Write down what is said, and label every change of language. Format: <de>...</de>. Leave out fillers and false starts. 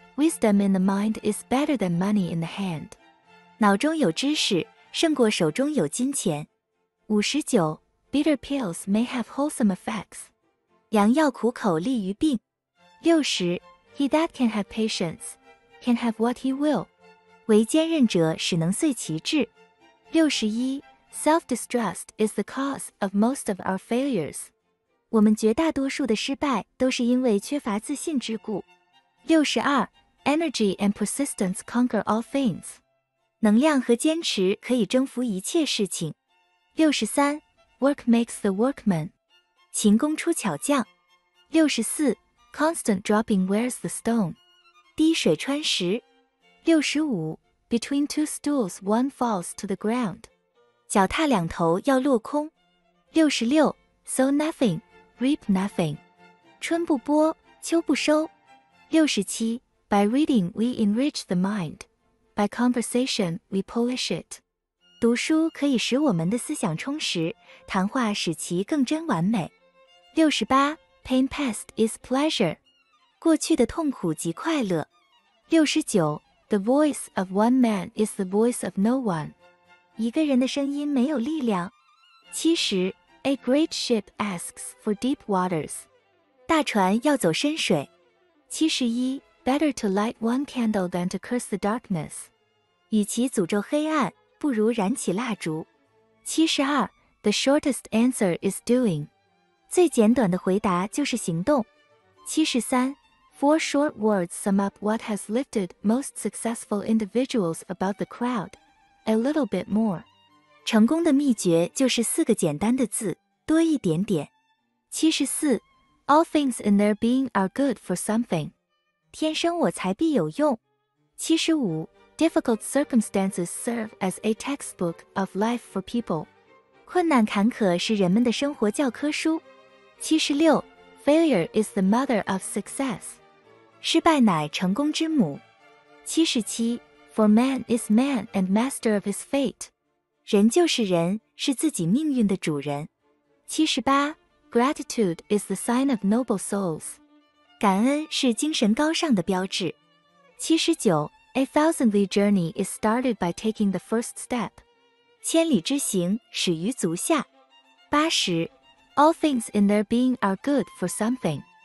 <en>Wisdom in the mind is better than money in the hand.</en> <zh>脑中有知识胜过手中有金钱。</zh> <en>59. Bitter pills may have wholesome effects.</en> <zh>良药苦口利于病。60.</zh> <en>He that can have patience, can have what he will.</en> <zh>为坚韧者使能遂其志。61.</zh> <en>Self-distrust is the cause of most of our failures.</en> <zh>我们绝大多数的失败都是因为缺乏自信之故。</zh> <en>62. Energy and persistence conquer all things.</en> <zh>能量和坚持可以征服一切事情。</zh> <en>63. Work makes the workman.</en> <zh>勤工出巧匠。</zh> <en>64. Constant dropping wears the stone.</en> <zh>滴水穿石。</zh> <en>65. Between two stools one falls to the ground.</en> <zh>脚踏两头要落空。</zh> <en>66. Sow nothing, reap nothing.</en> <zh>春不播，秋不收。67.</zh> <en>By reading we enrich the mind. By conversation we polish it.</en> <zh>读书可以使我们的思想充实，谈话使其更臻完美。</zh> <en>68. Pain past is pleasure.</en> <zh>过去的痛苦即快乐。</zh> <en>69. The voice of one man is the voice of no one.</en> <zh>一个人的声音没有力量。</zh> <en>70. A great ship asks for deep waters.</en> <zh>大船要走深水。71.</zh> <en>Better to light one candle than to curse the darkness.</en> <zh>与其诅咒黑暗，不如燃起蜡烛。</zh> <en>72. The shortest answer is doing.</en> <zh>最简短的回答就是行动。 73.</zh> <en>Four short words sum up what has lifted most successful individuals above the crowd. A little bit more.</en> <zh>成功的秘诀就是四个简单的字，多一点点。 74.</zh> <en>All things in their being are good for something.</en> <zh>天生我材必有用。75.</zh> <en>Difficult circumstances serve as a textbook of life for people.</en> <zh>困难坎坷是人们的生活教科书。</zh> <en>76. Failure is the mother of success.</en> <zh>失败乃成功之母。77.</zh> <en>For man is man and master of his fate.</en> <zh>人就是人，是自己命运的主人。</zh> <en>78. Gratitude is the sign of noble souls.</en> <zh>感恩是精神高尚的标志。</zh> <en>79. A thousandly journey is started by taking the first step.</en> <zh>千里之行始于足下。80.</zh> <en>All things in their being are good for something.</en>